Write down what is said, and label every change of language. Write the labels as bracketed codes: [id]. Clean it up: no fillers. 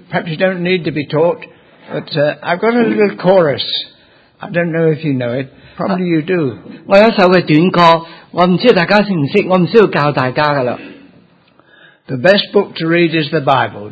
[en] Perhaps you don't need to be taught, but I've got a little chorus. I don't know if you know it. Probably you do. [yue] 我有一首嘅短歌，我唔知道大家识唔识，我唔需要教大家噶啦。 [en] The best book to read is the Bible.